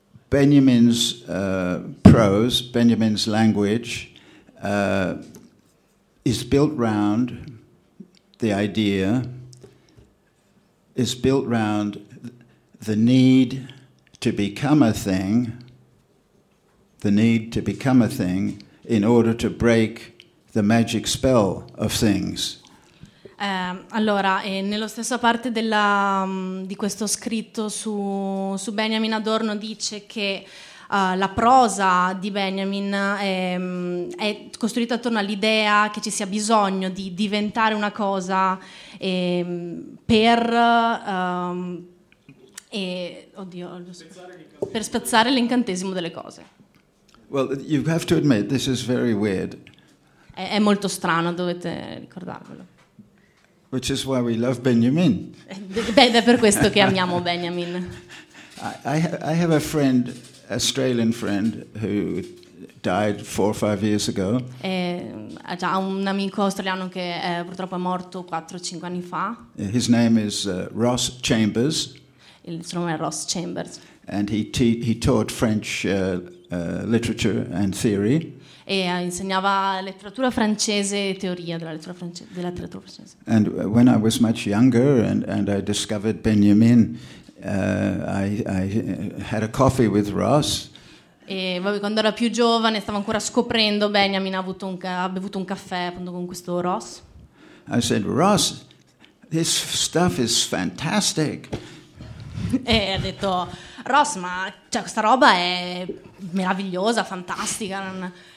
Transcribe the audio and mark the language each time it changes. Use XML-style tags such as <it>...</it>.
<en>Benjamin's prose, Benjamin's language, is built round the idea, is built round the need to become a thing, the need to become a thing in order to break the magic spell of things.</en> <it>Allora, e nello stesso parte di questo scritto su Benjamin Adorno dice che la prosa di Benjamin è costruita attorno all'idea che ci sia bisogno di diventare una cosa per spezzare l'incantesimo delle cose.</it> <en>Well, you have to admit, this is very weird.</en> <it>È molto strano, dovete ricordarvelo.</it> <en>Which is why we love Benjamin.</en> <it>Beh, è per questo che amiamo Benjamin.</it> <en>I have a friend, Australian friend, who died 4 or 5 years ago.</en> <it>Ha un amico australiano che purtroppo è morto 4 o 5 anni fa.</it> <en>His name is Ross Chambers.</en> <it>Il suo nome è Ross Chambers.</it> <en>And he taught French literature and theory.</en> <it>E insegnava letteratura francese e teoria della letteratura francese.</it> <en>And when I was much younger and I discovered Benjamin, I had a coffee with Ross.</en> <it>E quando era più giovane, stavo ancora scoprendo Benjamin, ha bevuto un caffè appunto con questo Ross.</it> <en>I said, Ross, this stuff is fantastic.</en> <it>E ha detto, Ross, ma cioè, questa roba è meravigliosa, fantastica.</it>